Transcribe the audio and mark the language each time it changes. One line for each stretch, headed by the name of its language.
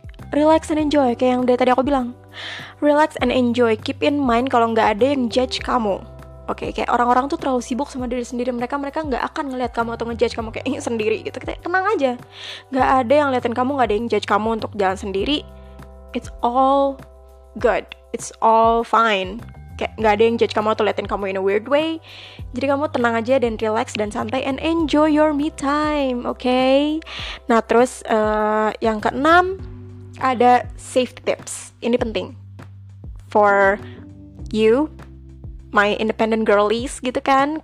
English: Relax and enjoy,
Indonesian: kayak yang dari tadi aku bilang,
English: relax and enjoy. Keep in mind
Indonesian: kalau nggak ada yang judge kamu. Oke, okay, kayak orang-orang tuh terlalu sibuk sama diri sendiri mereka, mereka nggak akan ngelihat kamu atau ngejudge kamu kayak sendiri gitu. Kita tenang aja, nggak ada yang liatin kamu, nggak ada yang judge kamu untuk jalan sendiri.
English: It's all good, it's all fine.
Indonesian: Kayak nggak ada yang judge kamu atau liatin kamu
English: in a weird way.
Indonesian: Jadi kamu tenang aja dan relax dan santai
English: and enjoy your me time,
Indonesian: oke? Okay? Nah, terus yang keenam ada safety tips. Ini penting
English: for you, my independent girlies
Indonesian: gitu kan.